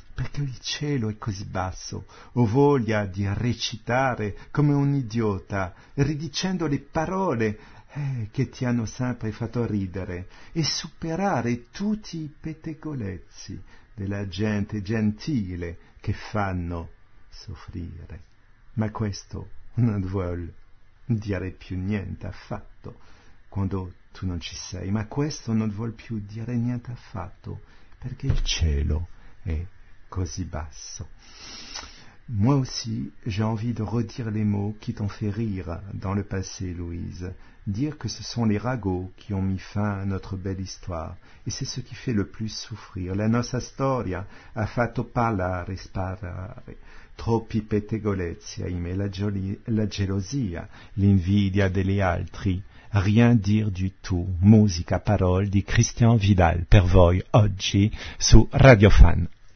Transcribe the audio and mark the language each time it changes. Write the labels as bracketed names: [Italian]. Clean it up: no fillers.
[Italian] Perché il cielo è così basso, ho voglia di recitare come un idiota, ridicendo le parole che ti hanno sempre fatto ridere, e superare tutti i pettegolezzi della gente gentile che fanno soffrire. Ma questo non vuol dire più niente affatto quando tu non ci sei. Ma questo non vuol più dire niente affatto perché il cielo è così basso. [French] Moi aussi, j'ai envie de redire les mots qui t'ont fait rire dans le passé, Louise. Dire que ce sont les ragots qui ont mis fin à notre belle histoire. Et c'est ce qui fait le plus souffrir. [Italian] La nostra storia ha fatto parlare, sparare. Troppi pettegolezzi, ahimè, la gelosia, l'invidia degli altri. [French] Rien dire du tout. [Italian] Musica, parole di Christian Vidal per voi oggi su Radio Fan.